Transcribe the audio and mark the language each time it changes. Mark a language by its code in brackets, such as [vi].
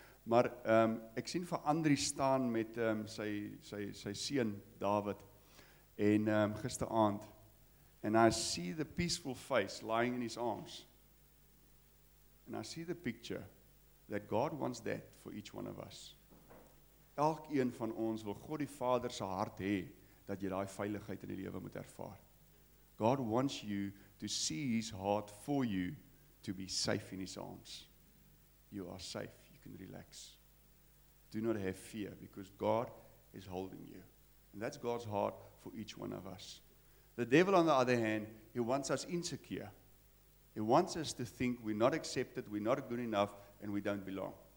[af] Maar ek sien vir Andri staan met sy seun David en gisteraand [en] and I see the peaceful face lying in his arms and I see the picture that God wants that for each one of us. [af] Elkeen van ons wil God die Vader se hart hê dat jy daai veiligheid in die lewe moet ervaar. [en] God wants you to see his heart for you to be safe in his arms. You are safe. Can relax. Do not have fear because God is holding you. And that's God's heart for each one of us. The devil, on the other hand, he wants us insecure. He wants us to think we're not accepted, we're not good enough, and we don't belong.